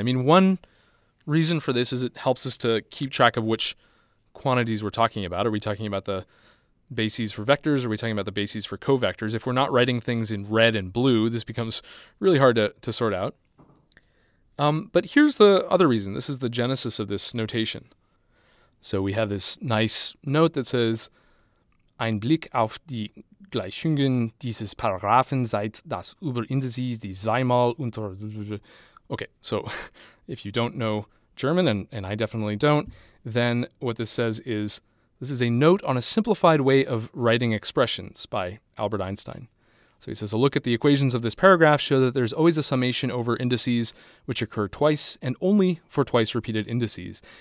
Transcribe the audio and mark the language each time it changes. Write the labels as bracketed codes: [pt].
[en] I mean, one reason for this is it helps us to keep track of which quantities we're talking about. Are we talking about the bases for vectors? Are we talking about the bases for covectors? If we're not writing things in red and blue, this becomes really hard to sort out. But here's the other reason. This is the genesis of this notation. So we have this nice note that says, [de] Ein Blick auf die Gleichungen dieses Paragraphen zeigt, dass über Indizes die zweimal unter... [en] Okay, so if you don't know German, and I definitely don't, then what this says is, this is a note on a simplified way of writing expressions by Albert Einstein. So he says, a look at the equations of this paragraph show that there's always a summation over indices which occur twice and only for twice repeated indices.